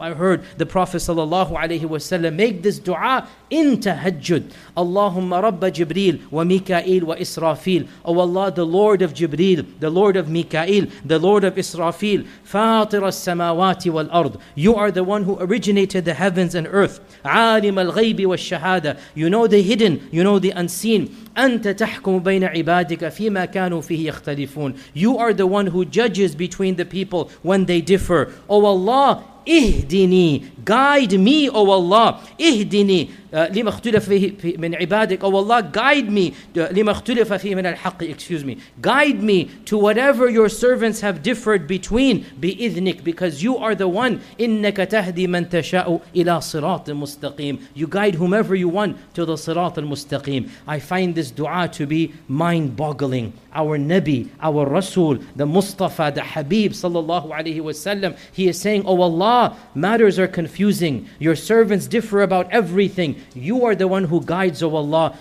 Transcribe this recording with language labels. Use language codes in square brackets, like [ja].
[en] I heard the Prophet sallallahu alaihi wasallam make this dua in tahajjud. [ar] Allahumma rabba Jibril wa Mikail wa Israfil. [en] Oh Allah, the Lord of Jibril, the Lord of Mikail, the Lord of Israfil. [ar] Fatir as samawati wal ard. [en] You are the one who originated the heavens and earth. [ar] Alim al ghaybi wa shahada. [en] You know the hidden. You know the unseen. [ar] أنت تحكم بين عبادك فيما كانوا فيه يختلفون. [en] You are the one who judges between the people when they differ. O Allah, إهدني. Guide me, O Allah. إهدني. [ar] لما اختلف فيه من عبادك. [en] Oh Allah, guide me. [ar] لما اختلف فيه من الحق. [en] Excuse me. Guide me to whatever your servants have differed between. بإذنك. Because you are the one. [ar] إنك تهدي من تشاء إلى صراط مستقيم. [en] You guide whomever you want to the [ar] صراط المستقيم. [en] I find this dua to be mind-boggling. Our Nabi, our Rasul, the Mustafa, the Habib, sallallahu alayhi wa sallam, he is saying, Oh Allah, matters are confusing. Your servants differ about everything. You are the one who guides, Oh Allah.